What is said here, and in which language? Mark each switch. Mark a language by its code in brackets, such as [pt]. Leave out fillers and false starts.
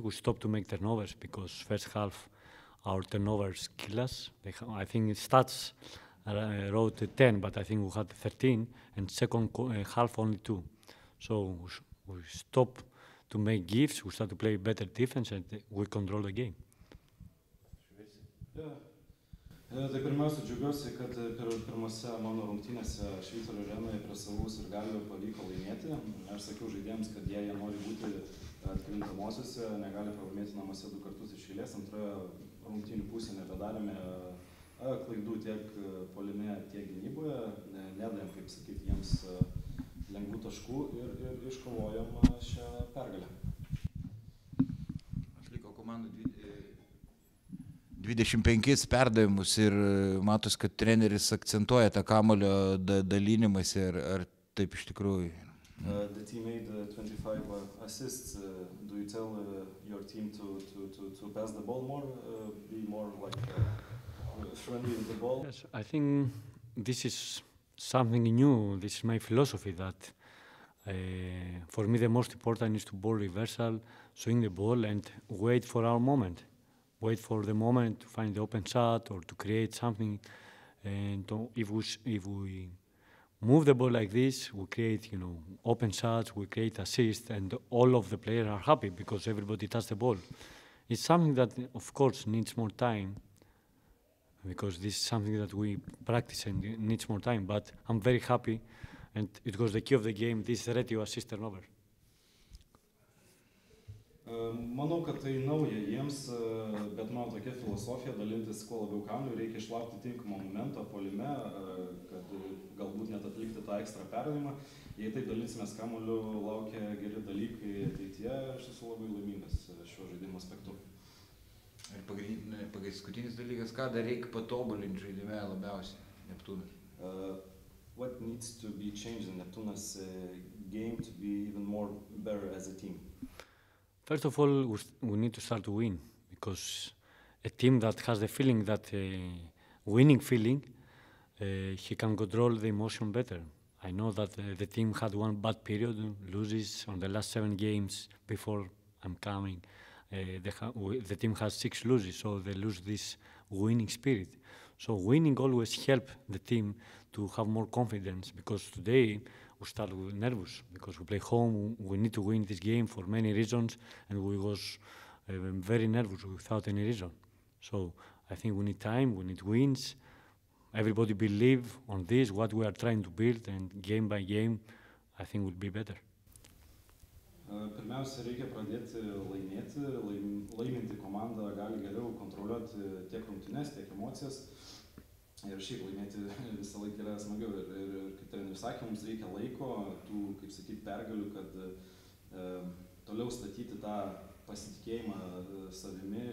[en] We stop to make turnovers because first half, our turnovers kill us. I think stats wrote 10, but I think we had 13, and second half only 2. So we stop to make gifts, we start to play better defense, and we control the game. [lt] Tai pirmiausia, džiugiuosi, kad pirmose mano rungtynėse Švyturio arenoje prie savų sirgalių pavyko laimėti. Aš sakiau žaidėjams, kad jie nori būti atkrintamosiose, negali pralaimėti namuose 2 kartus iš eilės. Antroje rungtynių pusėje nebedarėme klaidų tiek puolime, tiek gynyboje. Nedavėm, kaip sakyti, jiems lengvų taškų ir iškovojom šią pergalę. Atliko komandų 25 perdavimus ir matos, kad treneris akcentuoja tą kamulio dalinimąsi, ar taip iš tikrųjų? [en] The team made 25 assists. Do you tell your team to pass the ball more, be more like friendly with the ball? Yes, I think this is something new. This is my philosophy that for me the most important is to ball reversal, swing the ball and wait for our moment. Wait for the moment to find the open shot or to create something. And if we move the ball like this, we create, you know, open shots, we create assists, and all of the players are happy because everybody touched the ball. It's something that, of course, needs more time because this is something that we practice and needs more time. But I'm very happy, and it was the key of the game, this ratio assist turnover. [lt] Manau, kad tai nauja jiems, bet mano tokia filosofija dalintis kuo labiau kamuoliu, reikia išlaukti tinkamo momento puolime, kad galbūt net atlikti tą ekstra perdavimą. Jei taip dalinsimės kamuoliu, laukia geri dalykai ateityje, aš esu labai laimingas šiuo žaidimo aspektu. Ir paskutinis dalykas, ką dar reikia patobulinti žaidime labiausiai, Neptūnas? [en] What needs to be changed in Neptūnas game to be even more better as a team? First of all, we need to start to win because a team that has the feeling that winning feeling, he can control the emotion better. I know that the team had one bad period, loses on the last 7 games before I'm coming. The team has 6 losses, so they lose this winning spirit. So winning always helps the team to have more confidence because today we start with nervous because we play home. We need to win this game for many reasons and we was very nervous without any reason. So I think we need time, we need wins. Everybody believe on this, what we are trying to build, and game by game, I think we'll be better. [lt] Pirmiausia, reikia pradėti laimėti. Laiminti komandą gali geriau kontroliuoti tiek rungtynes, tiek emocijas. Ir šiaip laimėti visą laiką yra smagiau. Ir kaip treneris sakė, mums reikia laiko, tų, kaip sakyti, pergalių, kad toliau statyti tą pasitikėjimą savimi.